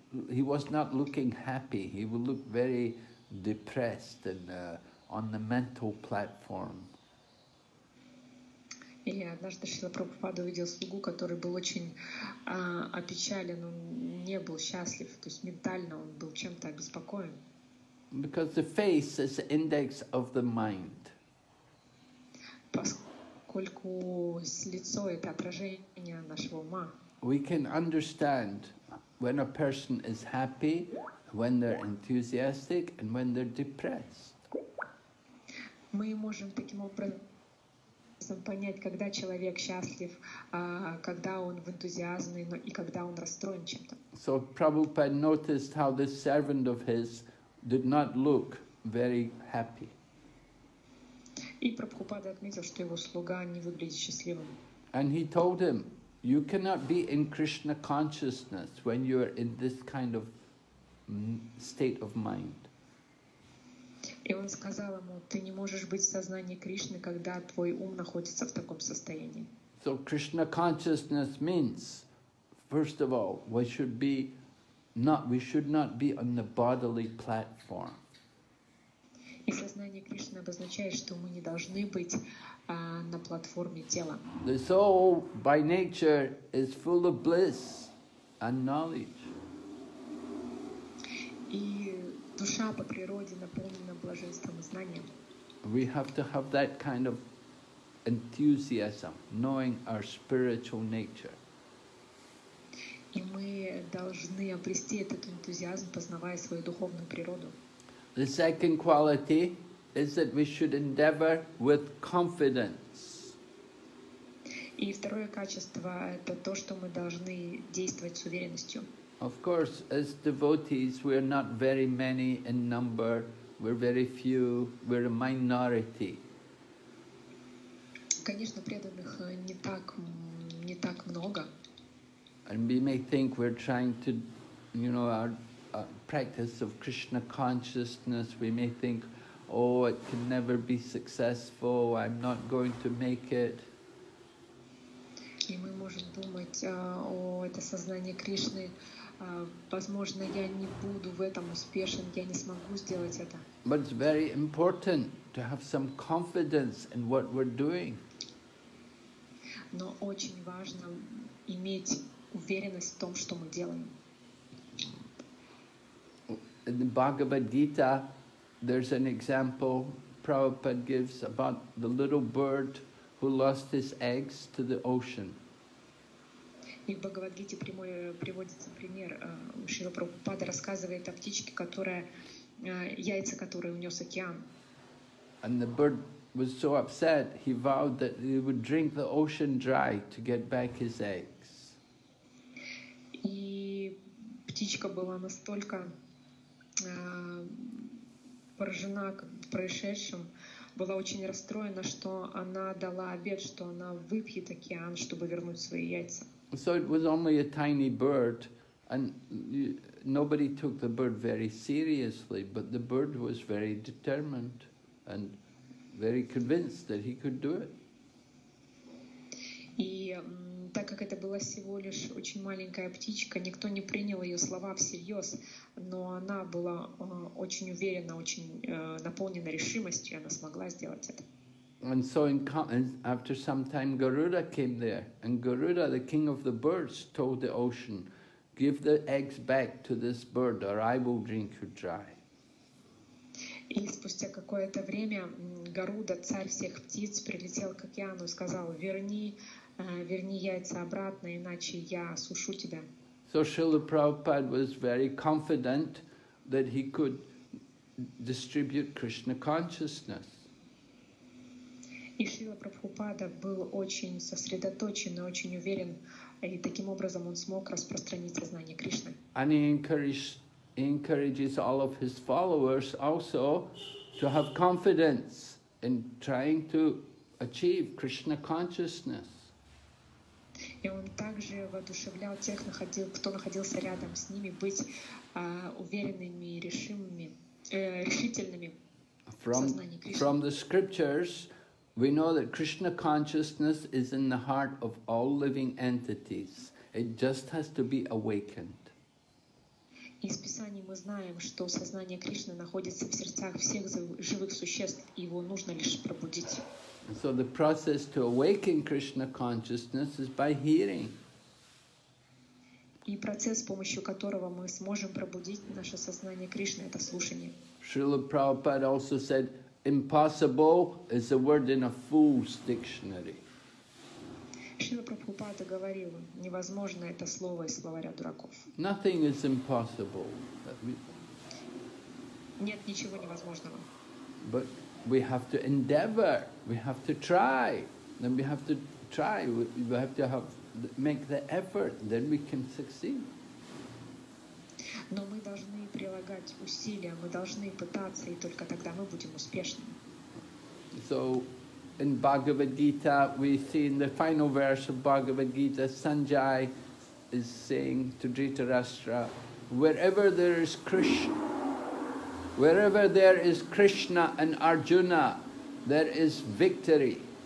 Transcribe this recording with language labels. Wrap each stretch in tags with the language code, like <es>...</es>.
<en>He was not looking happy. He looked very depressed and on the mental platform.</en> <ru>Я однажды Шрила Прабхупада увидел слугу, который был очень опечален, он не был счастлив, то есть ментально он был чем-то обеспокоен.</ru> <en>Because the face is the index of the mind.</en> <ru>Поскольку лицо — это отражение нашего ума.</ru> <en>We can understand when a person is happy, when they're enthusiastic, and when they're depressed.</en> <ru>Мы можем таким образом понять, когда человек счастлив, когда он в энтузиазме, но и когда он расстроен чем-то.</ru> <en>So Prabhupada noticed how this servant of his did not look very happy.</en> <ru>И Прабхупада отметил, что его слуга не выглядит счастливым.</ru> <en>And he told him, you cannot be in Krishna consciousness when you are in this kind of state of mind.</en> <ru>И он сказал ему, ты не можешь быть в сознании Кришны, когда твой ум находится в таком состоянии.</ru> <en>So Krishna consciousness means, first of all, we should be not, we should not be on the bodily platform.</en> <ru>И сознание Кришны обозначает, что мы не должны быть на платформе тела.</ru> <en>The soul by nature is full of bliss and knowledge.</en> <ru>И душа по природе наполнена блаженством и знанием.</ru> <en>We have to have that kind of enthusiasm, knowing our spiritual nature.</en> <ru>И мы должны обрести этот энтузиазм, познавая свою духовную природу.</ru> <en>The second quality is that we should endeavor with confidence.</en> <ru>И второе качество — это то, что мы должны действовать с уверенностью.</ru> <en>Of course, as devotees, we are not very many in number, we're very few, we're a minority.</en> <ru>Конечно, преданных не так много.</ru> <en>And we may think we're trying to, you know, our practice of Krishna consciousness, we may think, oh, it can never be successful, I'm not going to make it.</en> <ru>И мы можем думать, о, это сознание Кришны, возможно, я не буду в этом успешен, я не смогу сделать это.</ru> <en>But it's very important to have some confidence in what we're doing.</en> <ru>Но очень важно иметь уверенность в том, что мы делаем.</ru> <en>In the Bhagavad Gita, there's an example Prabhupada gives about the little bird who lost his eggs to the ocean.</en> <ru>И в Бхагавад-гите приводится пример, Шрила Прабхупада рассказывает о птичке, которая, яйца которой унес океан.</ru> <en>And the bird was so upset, he vowed that he would drink the ocean dry to get back his eggs.</en> <ru>И птичка была настолько поражена происшедшим, была очень расстроена, что она дала обет, что она выпьет океан, чтобы вернуть свои яйца.</ru> <en>So it was only a tiny bird, and nobody took the bird very seriously, but the bird was very determined and very convinced that he could do it.</en> <ru>И так как это была всего лишь очень маленькая птичка, никто не принял ее слова всерьез, но она была очень уверена, очень наполнена решимостью, она смогла сделать это.</ru> <en>And so after some time, Garuda came there, and Garuda, the king of the birds, told the ocean, give the eggs back to this bird, or I will drink you dry.</en> <ru>И спустя какое-то время Гаруда, царь всех птиц, прилетел к океану и сказал, верни яйца обратно, иначе я осушу тебя.</ru> <en>So Srila Prabhupada was very confident that he could distribute Krishna consciousness.</en> <ru>И Шрила Прабхупада был очень сосредоточен и очень уверен, и таким образом он смог распространить сознание Кришны.</ru> <en>And he encourages all of his followers also to have confidence in trying to achieve Krishna consciousness.</en> <ru>И он также воодушевлял тех, кто находился рядом с ними, быть уверенными и решительными в сознании Кришны.</ru> <en>From the scriptures, we know that Krishna consciousness is in the heart of all living entities. It just has to be awakened.</en> <ru>Из Писаний мы знаем, что сознание Кришны находится в сердцах всех живых существ, и его нужно лишь пробудить.</ru> <en>So the process to awaken Krishna consciousness is by hearing.</en> <ru>И процесс, с помощью которого мы сможем пробудить наше сознание Кришны, это слушание.</ru> <en>Шрила Прабхупада also said, impossible is a word in a fool's dictionary.</en> <ru>Шрила Прабхупада говорил, невозможно это слово из словаря дураков.</ru> <en>Nothing is impossible.</en> <ru>Нет ничего невозможного.</ru> <en>But we have to endeavor, we have to try, then we have to try, we have to have make the effort, then we can succeed.</en> <ru>Но мы должны прилагать усилия, мы должны пытаться, и только тогда мы будем успешными.</ru> <en>So, in Bhagavad Gita, we see in the final verse of Bhagavad Gita, Sanjay is saying to Dhritarashtra, wherever there is Krishna and Arjuna, there is victory.</en>